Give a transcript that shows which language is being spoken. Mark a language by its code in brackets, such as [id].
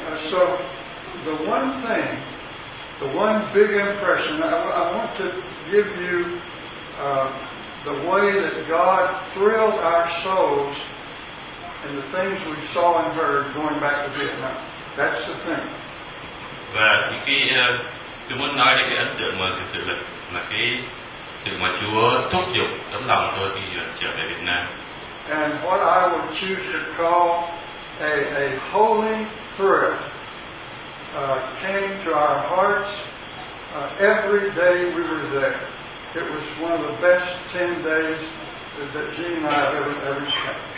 [en] So the one thing, the one big impression, I want to give you the way that God thrilled our souls and the things we saw and heard going back to Vietnam. That's the thing. [vi] Và thì khi tôi muốn nói đến cái ấn tượng mà thực sự là cái sự mà Chúa thúc giục tấm lòng tôi khi trở về Việt Nam. [en] And what I would choose to call a holy thrill came to our hearts every day we were there. It was one of the best 10 days that Gene and I ever spent.